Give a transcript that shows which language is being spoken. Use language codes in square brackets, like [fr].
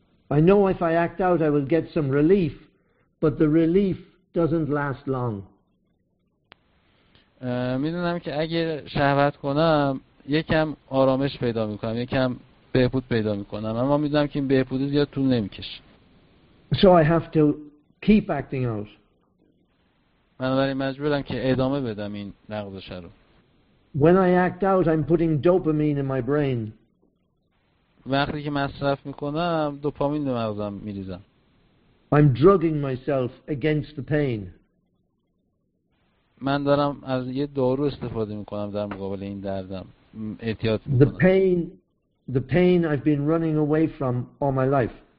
[en] I know if I act out I will get some relief, but the relief doesn't last long. [fa] میدونم که اگه شهوت کنم یکم آرامش پیدا میکنم، یکم بهبود پیدا میکنم، اما میدونم که این بهبود زیاد طول نمیکشه. [en] So I have to keep acting out. [fa] بنابراین مجبورم که ادامه بدم این لغزش رو. [en] When I act out, I'm putting dopamine in my brain. [fa] وقتی که مصرف میکنم دوپامین به مغزم میریزم. [en] I'm drugging myself against the pain. [fa] من دارم از یه دارو استفاده میکنم در مقابل این دردم. احتیاط میکنم. [en] The pain I've been running away from all my life.